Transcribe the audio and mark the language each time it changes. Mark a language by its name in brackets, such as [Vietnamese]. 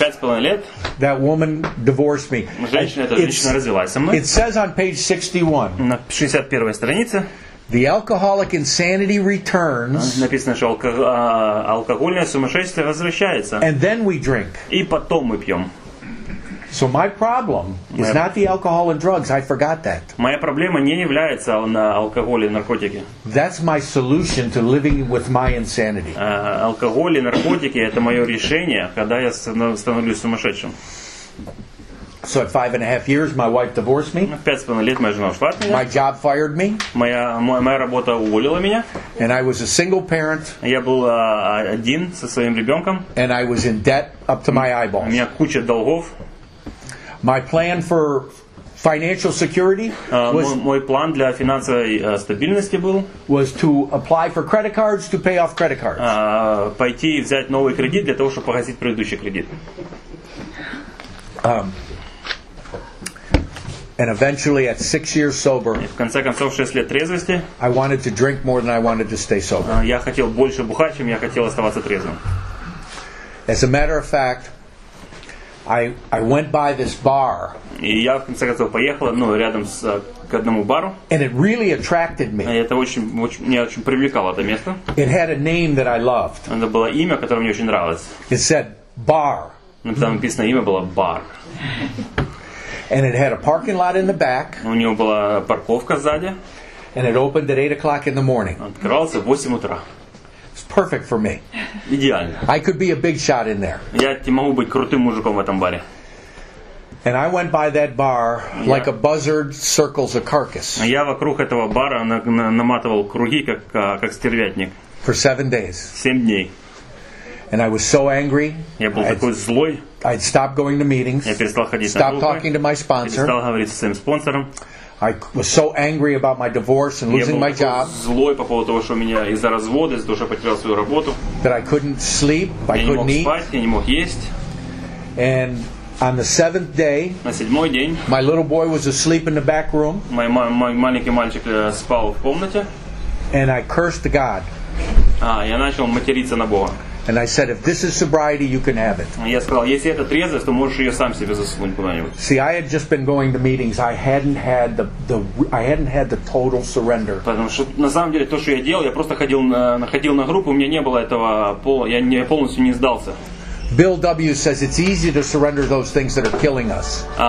[Russian] 5.5 лет, [English] that woman divorced me. [Russian] Женщина развелась со мной. [English] It says on page 61. [Russian] На 61-й странице. [English] The alcoholic insanity returns. [Russian] Написано, что алкогольное сумасшествие возвращается. [English] And then we drink. [Russian] И потом мы пьем. [English] So my problem is not the alcohol and drugs. I forgot that. [Russian] Моя проблема не является на алкоголе и наркотики. [English] That's my solution to living with my insanity. [Russian] Алкоголь и наркотики — это моё решение, когда я становлюсь сумасшедшим. [English] So at 5.5 years, my wife divorced me. [Russian] 5.5 лет моя жена ушла от меня. [English] My job fired me. [Russian] Моя работа уволила меня. [English] And I was a single parent. [Russian] Я был один со своим ребёнком. [English] And I was in debt up to my eyeballs. [Russian] У меня куча долгов. [English] My plan for financial security was [Russian] мой план для финансовой стабильности был [English] was to apply for credit cards to pay off credit cards. [Russian] Пойти и взять новый кредит для того, чтобы погасить предыдущий кредит. [English] And eventually at 6 years sober. [Russian] В конце концов, 6 лет трезвости. [English] I wanted to drink more than I wanted to stay sober. [Russian] Я хотел больше бухать, чем я хотел оставаться трезвым. [English] As a matter of fact, I went by this bar. [Russian] И я в конце концов поехала, ну, рядом с к одному бару. [English] And it really attracted me. [Russian] Это очень привлекало это место. [English] It had a name that I loved. [Russian] Это было имя, которое мне очень нравилось. [English] It said bar. [Russian] Там написано имя было бар. [English] And it had a parking lot in the back. [Russian] У него была парковка сзади. [English] And it opened at 8:00 in the morning. [Russian] Открывался в 8 утра. [English] Perfect for me. [Russian] Идеально. [English] I could be a big shot in there. [Russian] Я могу быть крутым мужиком в этом баре. [English] And I went by that bar like a buzzard circles a carcass. [Russian] Я вокруг этого бара наматывал круги как стервятник. [English] For 7 days. [Russian] 7 дней. [English] And I was so angry. [Russian] Я был такой злой. [English] I'd stop going to meetings. [Russian] Я перестал ходить на группы. [English] Stop talking to my sponsor. [Russian] Перестал говорить со своим спонсором. [English] I was so angry about my divorce and losing my job. [Russian] Я был злой по поводу того, что у меня из-за развода, из-за того, что я потерял свою работу. [English] That I couldn't sleep, I couldn't eat. [Russian] Я не мог спать, я не мог есть. [English] And on the 7th day, [Russian] на 7-й день, [English] my little boy was asleep in the back room. [Russian] Мой маленький мальчик спал в комнате. [English] And I cursed God. [Russian] Я начал материться на Бога. [English] And I said, if this is sobriety, you can have it. [Russian] Я сказал, если это трезвость, то можешь ее сам себе засунуть куда-нибудь. [English] See, I had just been going to meetings. I hadn't had the total surrender. [Russian] Потому что на самом деле то, что я делал, я просто ходил находил на группу. У меня не было этого полностью не сдался. [English] Bill W. says it's easy to surrender those things that are killing us.